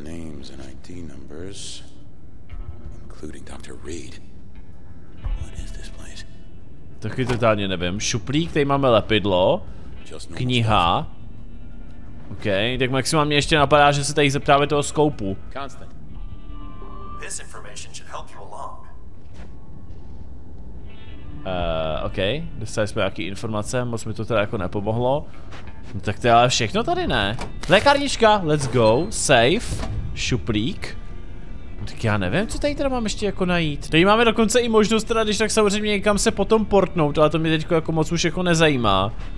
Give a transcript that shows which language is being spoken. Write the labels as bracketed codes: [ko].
[en] Names and ID numbers, including Dr. Reed. What is this place? [cs] Taky totálně nevím. Šuplík, tady máme lepidlo. Kniha. OK, tak maximálně ještě napadá, že se tady zeptáme toho skoupu. [en] Constant. This information should help you along. [cs] OK, dostali jsme nějaký informace, moc mi to teda jako nepomohlo. No tak to je ale všechno tady, ne? Lékárnička, [en] let's go, [cs] safe, šuplík. No tak já nevím, co tady teda mám ještě jako najít. Tady máme dokonce i možnost teda, když tak samozřejmě někam se potom portnout, ale to mě teď jako moc už jako nezajímá.